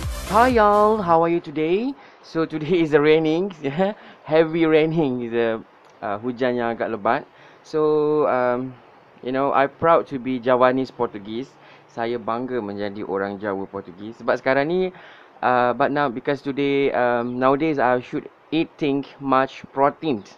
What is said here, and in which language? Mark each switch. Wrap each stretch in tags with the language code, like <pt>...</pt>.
<en>Hi y'all, how are you today? So today is the raining, yeah?</en> <ms>Heavy raining, the hujan yang agak lebat.</ms> <en>So, you know, I'm proud to be Javanese Portuguese.</en> <ms>Saya bangga menjadi orang Jawa Portuguese.</ms> <en>Sebab sekarang ni, but now, because today, nowadays I should eating much protein.</en>